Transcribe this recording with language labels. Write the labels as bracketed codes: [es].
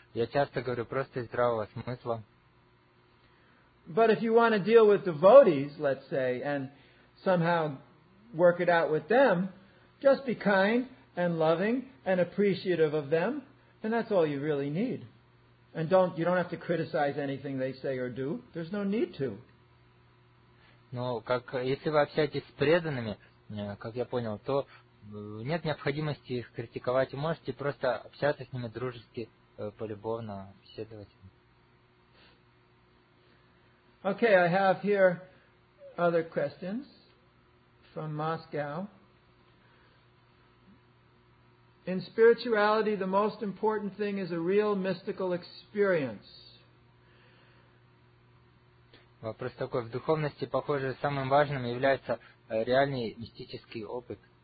[ru] Я часто говорю просто из здравого смысла. [en] But if you want to deal with devotees, let's say, and somehow work it out with them, just be kind and loving and appreciative of them, and that's all you really need. And you don't have to criticize anything they say or do. There's no need to. [ru] Но как если вы общаетесь с преданными, как я понял, то нет необходимости их критиковать, можете просто общаться с ними дружески, полюбовно, беседовать. [en] Okay, I have here other questions from Moscow. In spirituality, the most important thing is a real mystical experience. [ru] Вопрос такой. В духовности, похоже, самым важным является реальный мистический опыт.